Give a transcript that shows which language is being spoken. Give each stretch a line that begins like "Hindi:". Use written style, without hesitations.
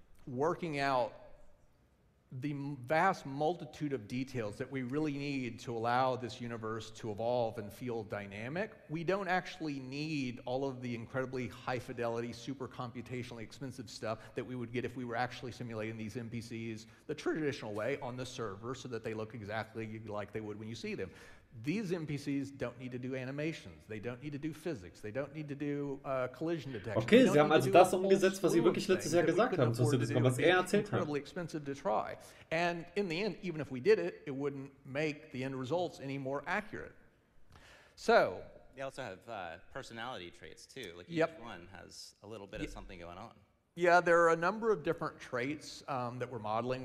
English: Working out the vast multitude of details that we really need to allow this universe to evolve and feel dynamic, we don't actually need all of the incredibly high fidelity, super computationally expensive stuff that we would get if we were actually simulating these NPCs the traditional way on the server so that they look exactly like they would when you see them. These NPCs don't need to do animations, they don't need to do physics, they don't need to do collision detection.
German: Okay, sie haben also das umgesetzt, was sie wirklich letztes Jahr gesagt haben, zu CitizenCon, was er erzählt hat.
English: It's incredibly expensive to try. And in the end, even if we did it, it wouldn't make the end results any more accurate. So they also have personality traits too, like each one has a little bit of something going on. Yeah, there are a number of different traits that we're modeling.